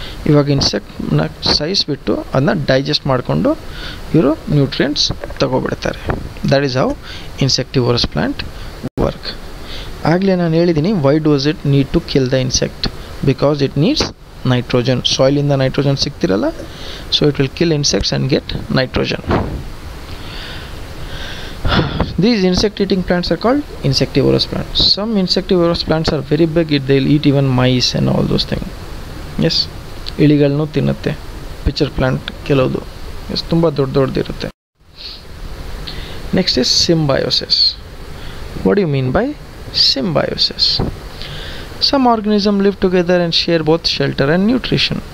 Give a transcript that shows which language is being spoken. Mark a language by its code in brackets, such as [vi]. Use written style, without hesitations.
[kn] ಇವಾಗ ಇನ್ಸೆಕ್ಟ್ ನ ಸೈಜ್ ಬಿಟ್ಟು ಅದನ್ನ ಡೈಜೆಸ್ಟ್ ಮಾಡಿಕೊಂಡು ಇವರು nutrients ತಗೋಬಿಡ್ತಾರೆ. [en] That is how insectivorous plant work. [kn] ಆಗಲೇ ನಾನು ಹೇಳಿದ್ದೀನಿ [en] Why does it need to kill the insect, because it needs nitrogen. [kn] ಸಾಯ್ಲಿಂದ nitrogen ಸಿಗ್ತಿರಲ್ಲ, [en] So it will kill insects and get nitrogen. These insect-eating plants are called insectivorous plants. Some insectivorous plants are very big, they'll eat even mice and all those things. [kn] S, ಇಳಿಗಳನ್ನೂ ತಿನ್ನುತ್ತೆ picture plant ಕೆಲವು. S, ತುಂಬ ದೊಡ್ಡ ದೊಡ್ಡದಿರುತ್ತೆ. [en] Next is symbiosis. What you mean by symbiosis? Some organism live together and share both shelter and nutrition.